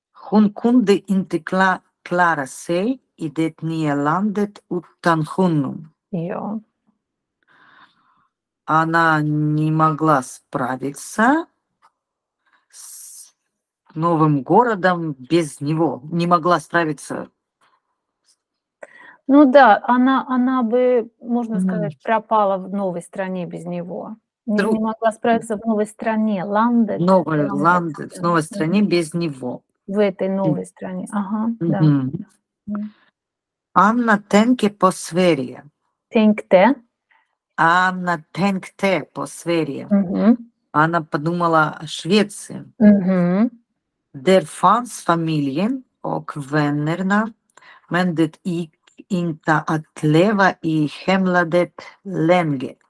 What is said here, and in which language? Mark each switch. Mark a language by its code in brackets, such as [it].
[sv] Hon kunde inte klara sig i det nya landet utan honom. Ja. [ru] Она не могла справиться с новым городом без него. Не могла справиться. Ну да, она бы, можно сказать, пропала в новой стране без него. Не могла справиться в новой стране, Ланде. Новая Ланде, в новой стране без него. в этой новой стране. Ага, да. [sv] Anna tänker på Sverige. Tänkte. Anna tänkte på Sverige. [ru] Anna подумала о Швеции. [sv] Der fanns familjen och vännerna, men det gick inte att leva i hemlandet länge.